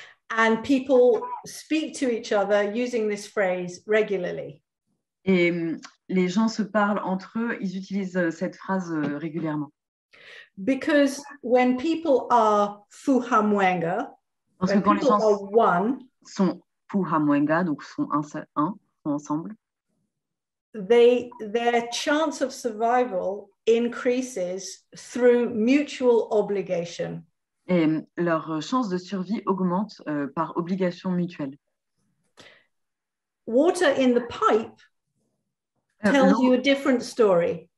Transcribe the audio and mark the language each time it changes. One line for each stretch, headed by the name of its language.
English: And people speak to each other using this phrase regularly.
French: Et les gens se parlent entre eux, ils utilisent cette phrase régulièrement.
English: Because when people are fuhamwenga,
French: parce
English: when people are one,
French: sont fuhamwenga, donc sont un seul, un, sont ensemble,
English: their chance of survival increases through mutual obligation.
French: Et leur chance de survie augmente par obligation mutuelle.
English: Water in the pipe tells you a different story.